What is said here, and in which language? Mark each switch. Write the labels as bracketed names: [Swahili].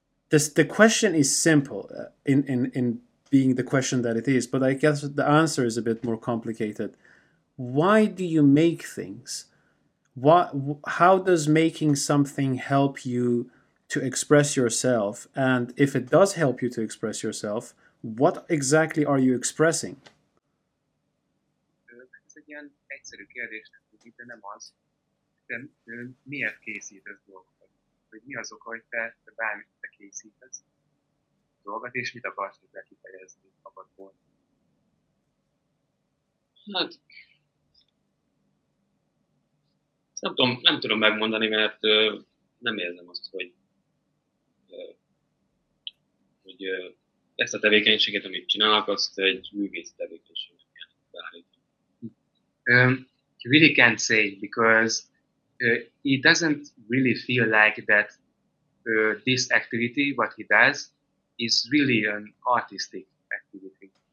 [English] The question is simple in being the question that it is, but I guess the answer is a bit more complicated. Why do you make things? How does making something help you to express yourself? And if it does help you to express yourself, what exactly are you expressing? [Hungarian] Ez egy ilyen egyszerű kérdés, de nem az. De miért készítesz dolgokat? Hogy mi az oka, hogy te bármit te készítesz dolgot, és mit akarsz te kifejezni magadból? Hát... Nem tudom megmondani, mert nem érzem azt, hogy ezt a tevékenységet, amit csinálok, azt egy művész tevékenységet kell beállítani. [English] You really can't say, because it doesn't really feel like that this activity, what he does, is really an artistic activity.